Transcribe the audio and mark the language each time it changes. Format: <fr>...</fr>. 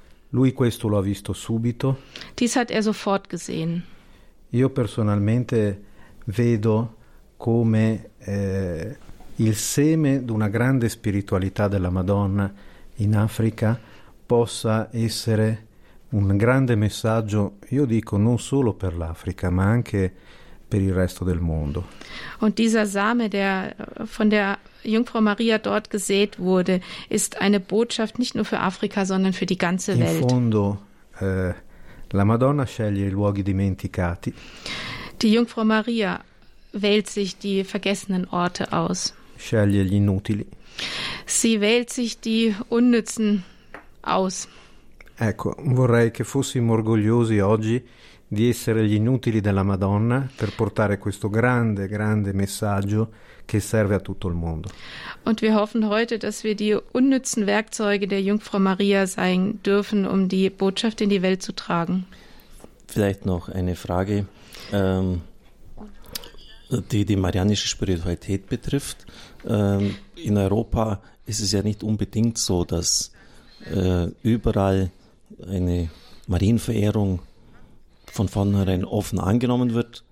<it>Lui questo lo ha visto subito.</it> <de>Dies hat er sofort gesehen.</de> <it>Io personalmente vedo come il seme di una grande spiritualità della Madonna in Africa possa essere un grande messaggio, io dico, non solo per l'Africa, ma anche per il resto del mondo.</it> <de>Und dieser Same, der von der Jungfrau Maria dort gesät wurde, ist eine Botschaft nicht nur für Afrika, sondern für die ganze in Welt.</de> <it>In fondo, la Madonna sceglie i luoghi dimenticati.</it> <de>Die Jungfrau Maria wählt sich die vergessenen Orte aus.</de> <it>Sceglie gli inutili.</it> <de>Sie wählt sich die unnützen aus.</de> <it>Ecco, vorrei che fossimo orgogliosi oggi di essere gli inutili della Madonna per portare questo grande, grande messaggio che serve a tutto il mondo.</it> <de>Und wir hoffen heute, dass wir die unnützen Werkzeuge der Jungfrau Maria sein dürfen, um die Botschaft in die Welt zu tragen. Vielleicht noch eine Frage, die marianische Spiritualität betrifft. In Europa ist es ja nicht unbedingt so, dass überall eine Marienverehrung von vornherein offen angenommen wird.</de>